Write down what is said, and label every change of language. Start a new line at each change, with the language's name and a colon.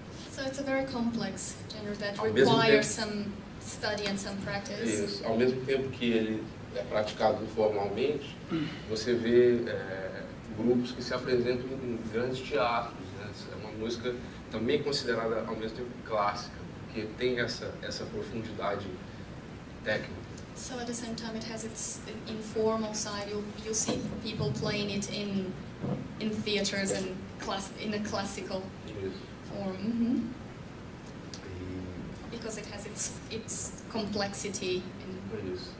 English: So it's a very complex genre that requires some study and some practice.
Portuguese: Isso. Ao mesmo tempo que ele é praticado informalmente, você vê grupos que se apresentam em grandes teatros, né? É uma música também considerada ao mesmo tempo clássica, porque tem essa profundidade técnica.
English: So at the same time it has its informal side. You see people playing it in theaters and in a classical form. Because it has its complexity in